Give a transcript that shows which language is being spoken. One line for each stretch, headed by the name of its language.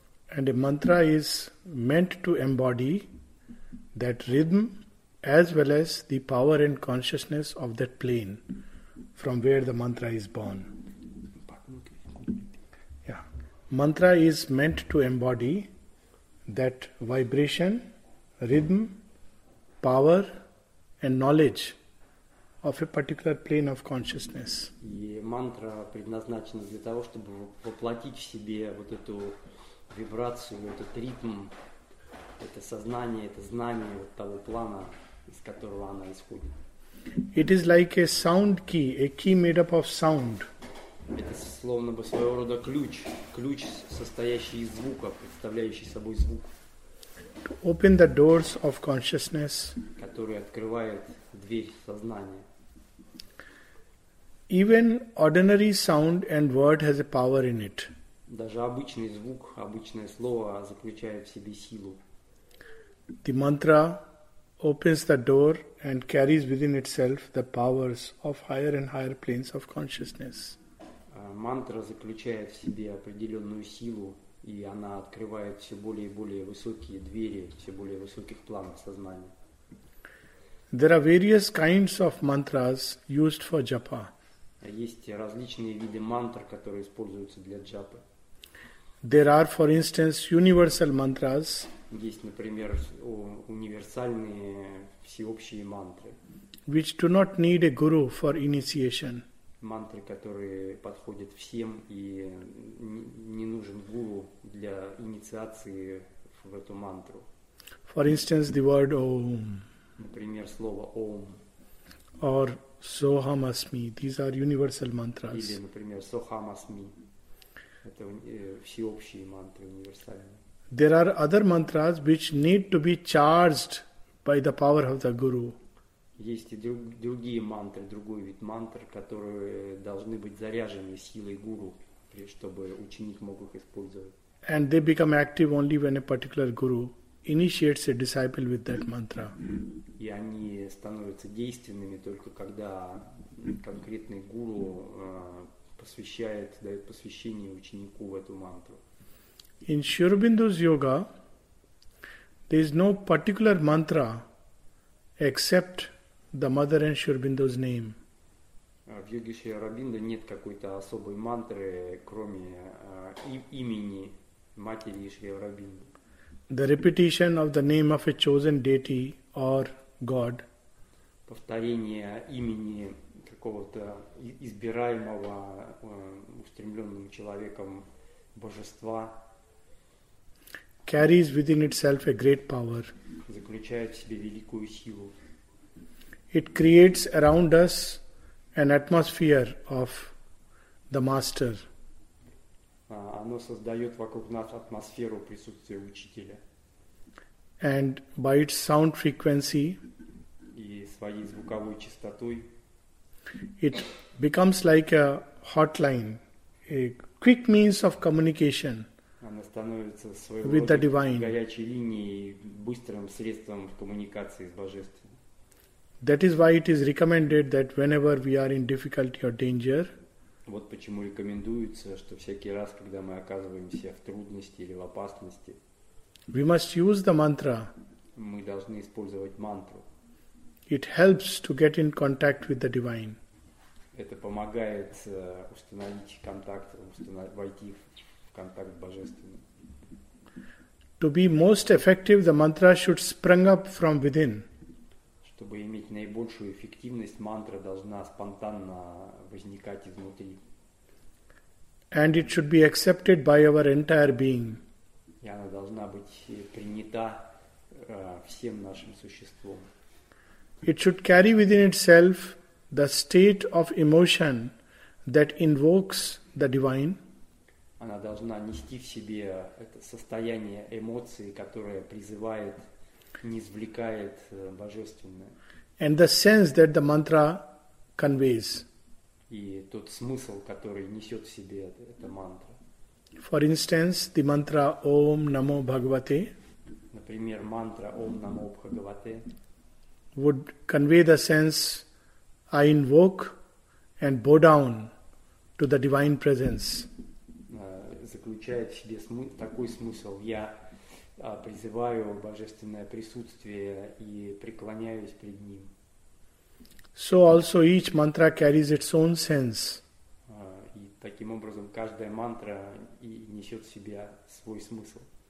English: And a mantra is meant to embody that rhythm as well as the power and consciousness of that plane from where the mantra is born. Mantra is meant to embody that vibration, rhythm, power and knowledge of a particular plane of consciousness.
Russian: И мантра предназначена для того, чтобы воплотить в себе вот эту вибрацию, этот ритм, это сознание, это знание вот того плана, из которого она исходит.
English: It is like a sound key, a key made up of sound.
Russian: Это словно бы своего рода ключ, ключ, состоящий из звука, представляющий собой звук.
English: To open the doors of consciousness,
Russian: который открывает дверь сознания.
English: Even ordinary sound and word has a power in it.
Russian: Даже обычный звук, обычное слово заключает в себе силу.
English: The mantra opens the door and carries within itself the powers of higher and higher planes of consciousness.
Russian: Мантра заключает в себе определенную силу, и она открывает все более и более высокие двери, все более высоких планов сознания.
English: There are various kinds of mantras used for japa.
Russian: Есть различные виды мантр, которые используются для джапы.
English: There are, for instance, universal mantras.
Russian: Есть, например, универсальные всеобщие мантры,
English: which do not need a guru for initiation.
Russian: Мантры, которые подходят всем, и не нужен гуру для инициации в эту мантру.
English: For instance, the word Om.
Russian: Например, слово Om.
English: Or Soham Asmi. These are universal mantras.
Russian: Или, например, Soham Asmi. Это всеобщие мантры, универсальные.
English: There are other mantras which need to be charged by the power of the guru.
Russian: Есть и другие мантры, другой вид мантр, которые должны быть заряжены силой гуру, чтобы ученик мог их использовать.
English: And they become active only when a particular guru initiates a disciple with that mantra.
Russian: И они становятся действенными только когда конкретный гуру посвящает, дает посвящение ученику в эту мантру.
English: In Sri Aurobindo's yoga, there is no particular mantra except the mother and Sri Aurobindo's name.
Russian: В йоге Шри Аурабиндо нет какой-то особой мантры, кроме имени матери Шри Аурабиндо.
English: The repetition of the name of a chosen deity or god.
Russian: Повторение имени какого-то избираемого устремленным человеком божества
English: carries within itself a great power.
Russian: Заключает в себе великую силу.
English: It creates around us an atmosphere of the master.
Russian: Оно создает вокруг нас атмосферу присутствия учителя.
English: And by its sound frequency,
Russian: и своей звуковой частотой,
English: it becomes like a hotline, a quick means of communication.
Russian: Оно становится своего рода горячей линией, быстрым средством коммуникации с божеством.
English: That is why it is recommended that whenever we are in difficulty or danger,
Russian: Вот почему рекомендуется, что всякий раз, когда мы оказываемся в трудности или в опасности,
English: we must use the mantra.
Russian: Мы должны использовать мантру.
English: It helps to get in contact with the divine.
Russian: Это помогает установить контакт, войти в контакт с божественным.
English: To be most effective, the mantra should spring up from within.
Russian: Чтобы иметь наибольшую эффективность, мантра должна спонтанно возникать изнутри.
English: And it should be accepted by our entire being.
Russian: И она должна быть принята всем нашим существом.
English: It should carry within itself the state of emotion that invokes the divine.
Russian: Она должна нести в себе это состояние эмоций, которое призывает, низвлекает божественное.
English: And the sense that the mantra conveys.
Russian: И тот смысл, который несет в себе эта мантра.
English: For instance, the mantra Om Namo Bhagavate.
Russian: Например, мантра Om Namo Bhagavate.
English: Would convey the sense I invoke and bow down to the divine presence.
Russian: Заключает в себе такой смысл: я призываю божественное присутствие и преклоняюсь пред ним.
English: So also each mantra carries its own sense.
Russian: И таким образом каждая мантра и несет в себе свой смысл.